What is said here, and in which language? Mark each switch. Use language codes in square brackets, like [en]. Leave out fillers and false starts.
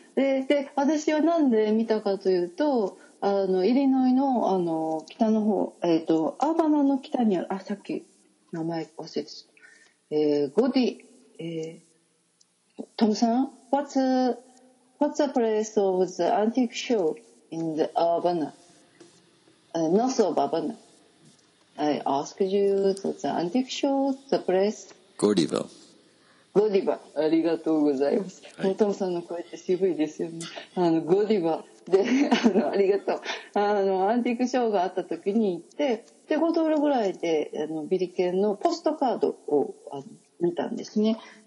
[ja] で私はなんで見たかというと、イリノイ の、 北の方、アーバナの北にある、あさっき名前忘れてた、ゴディ、トムさん [en] What's the place of the antique show in the Urbana? North of Urbana. I asked you to the antique show, the place. Godiva. Godiva. [ja] ありがとうございます。はい、トムさんの声って渋いですよね。 Godiva で、ありがとう。アンティークショーがあった時に行って、で、5ドルぐらいで、ビリケンのポストカードを見たんですね。